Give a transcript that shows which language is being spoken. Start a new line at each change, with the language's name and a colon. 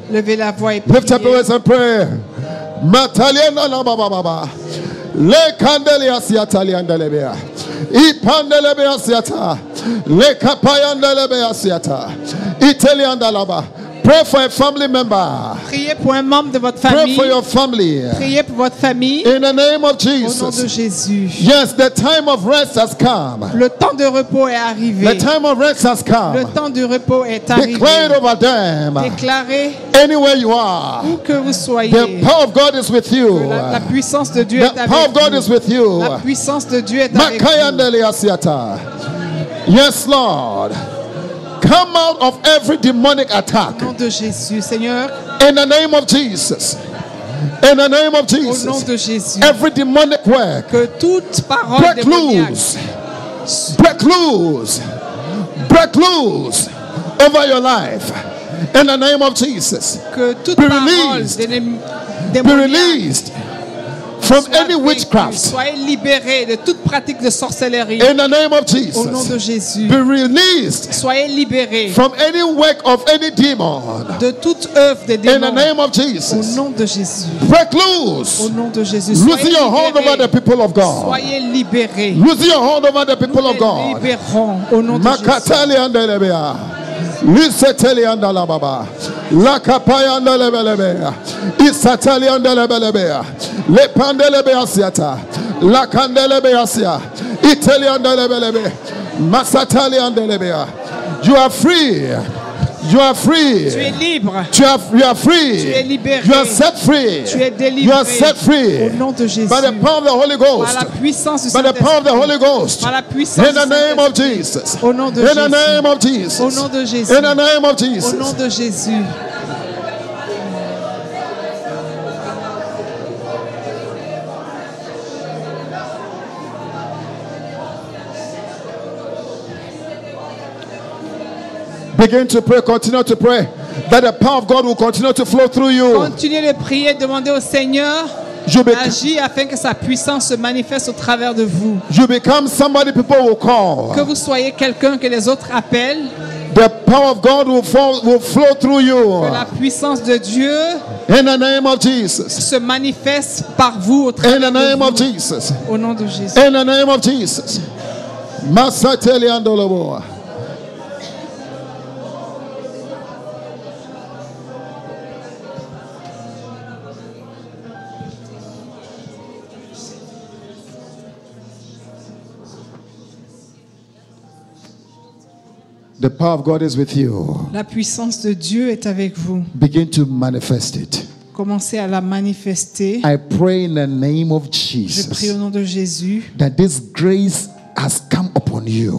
French: Levez la voix et priez.
English: Lift up your voice and pray. Mataliana la ba ba ba ba. Le candelia si ataliana lebea. Ipandelebea si ata. Le capayandelebea si ata. Italiana la ba. Pray for a family member.
French: Priez pour un membre de votre famille.
English: Pray for your family.
French: Priez pour votre famille.
English: In the name of Jesus.
French: Au nom de Jésus.
English: Yes, the time of rest has come.
French: Le temps de repos est arrivé.
English: The time of rest has come.
French: Le temps de repos est arrivé.
English: Declare it over them.
French: Déclarez.
English: Anywhere you are.
French: Où que vous soyez.
English: The power of God is with you.
French: La puissance de Dieu est avec vous.
English: The power of God is with you.
French: La puissance de Dieu est avec vous. Makayandele asiata.
English: Yes, Lord. Come out of every demonic attack.
French: Au nom de Jésus, Seigneur.
English: In the name of Jesus. In the name of Jesus.
French: Au nom de Jésus.
English: Every demonic work.
French: Que toute parole
English: break loose. Break loose. Break loose over your life. In the name of Jesus.
French: Que toute
English: be released. Be released. From any witchcraft.
French: Soyez libéré de toute pratique de sorcellerie.
English: In the name of Jesus.
French: Au nom de Jésus.
English: Be released.
French: Soyez libéré.
English: From any work of any demon.
French: De toute œuvre des démons.
English: In the name of Jesus.
French: Au nom de Jésus.
English: Break loose.
French: Au nom de Jésus.
English: Loosen your hold over the people of God.
French: Soyez libéré.
English: Loosen your hold over the people of God.
French: Nous les libérons au nom de Jésus. Lisseteli anda la baba, la kapaya anda lebelebe, isateli anda lebelebe, le pandelebe asiata, la kandelebe asia, iteli anda lebelebe, masateli anda lebe.
English: You are free. You are free.
French: Tu es libre.
English: You are free.
French: Tu es libéré.
English: You are set free.
French: Tu es délivré.
English: You are set free.
French: Au nom de Jésus.
English: By the power of the Holy Ghost.
French: Par la puissance du
English: By the power of the Holy Ghost.
French: Par la puissance
English: In the name of Jesus.
French: Au nom de
English: In the name of Jesus.
French: Au nom de Jésus.
English: In the name of Jesus.
French: Au nom de Jésus.
English: Begin to pray, continue to pray. That the power of God will continue to flow through you.
French: Continuez de prier, demandez au Seigneur d'agir afin que sa puissance se manifeste au travers de vous.
English: You become somebody people will call.
French: Que vous soyez quelqu'un que les autres appellent.
English: The power of God will flow through you.
French: Que la puissance de Dieu
English: in the name of Jesus.
French: Se manifeste par vous au travers de vous.
English: In the name of Jesus.
French: Au nom de Jésus.
English: In the name of Jesus. Masateli andolobo. The power of God is with you.
French: La puissance de Dieu est avec vous.
English: Begin to manifest it.
French: Commencez à la manifester.
English: I pray in the name of Jesus.
French: Je prie au nom de Jésus.
English: That this grace has come upon you.